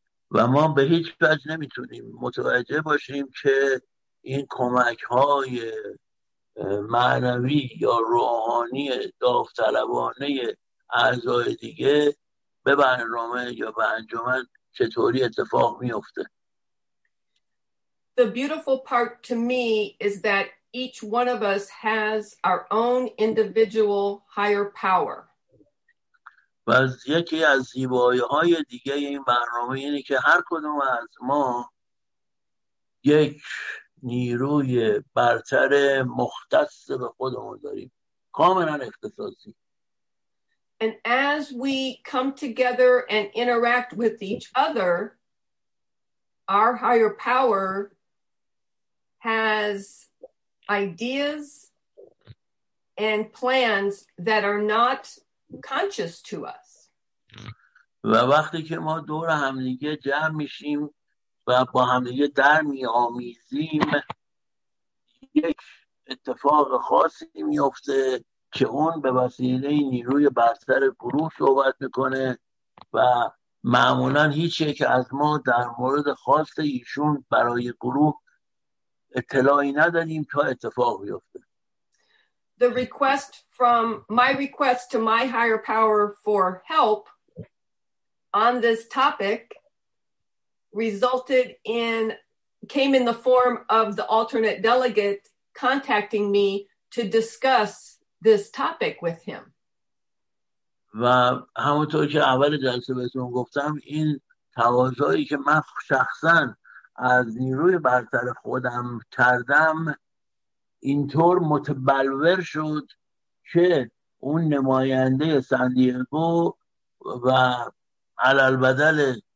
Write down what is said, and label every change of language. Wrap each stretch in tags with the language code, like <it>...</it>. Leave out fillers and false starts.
<fa>و ما به هیچ وجه نمیتونیم متوجه باشیم که این کمک های معنوی یا روحانی داوطلبانه اعضای دیگه به برنامه یا به انجمن چطوری اتفاق میفته.</fa> <en>The beautiful part to me is that each one of us has our own individual higher power.</en> <fa>و یکی از زیبایی‌های دیگه این برنامه اینه که هر کدوم از ما یک نیروی برتر مختص به خودمون داریم، کاملا اختصاصی.</fa> <en>And as we come together and interact with each other, our higher power has ideas and plans that are not conscious to us.</en> <fa>و وقتی که ما دور همدیگه جمع میشیم و با همدیگه در میآمیزیم، یک اتفاق خاصی میفته که اون به وسیله نیروی برتر گروه صحبت میکنه و معمولا هیچ یک از ما در مورد خاص ایشون برای گروه اطلاعی نداریم تا اتفاق بیفته.</fa> <en>The request from my request to my higher power for help on this topic resulted in came in the form of the alternate delegate contacting me to discuss this topic with him.</en> <fa>و همونطور که اول جلسه بهتون گفتم، این تقاضایی که من شخصا از نیروی برتر خودم کردم اینطور متبلور شد که اون نماینده سان دیگو و علل بدل</fa>